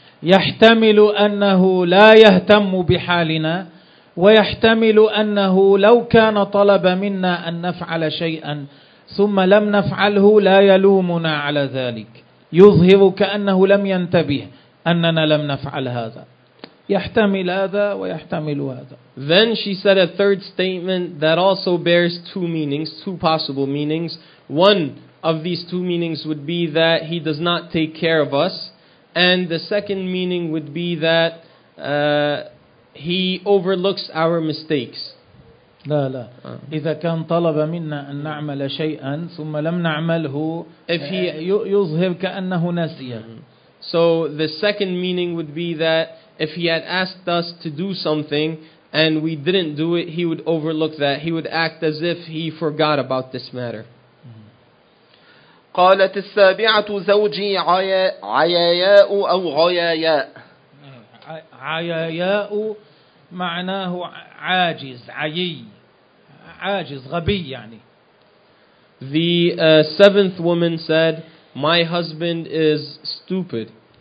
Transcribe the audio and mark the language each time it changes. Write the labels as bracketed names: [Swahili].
[Arabic] يحتمل أنه لا يهتم بحالنا، ويحتمل أنه لو كان طلب منا أن نفعل شيئا ثم لم نفعله لا يلومنا على ذلك، يظهر كأنه لم ينتبه أننا لم نفعل هذا. يحتمل هذا ويحتمل هذا. [English] Then she said a third statement that also bears two meanings, two possible meanings. One of these two meanings would be that he does not take care of us. And the second meaning would be that he overlooks our mistakes. [Arabic] لا لا. إذا كان طلب منا أن نعمل شيئا ثم لم نعمله يظهر كأنه نسي. [English] So the second meaning would be that if he had asked us to do something and we didn't do it, he would overlook that. He would act as if he forgot about this matter. [Arabic] قالت السابعة زوجي عياياء أو غياياء. عياياء معناه عاجز، عيي، عاجز، غبي يعني. [English] The seventh woman said, my husband is stupid.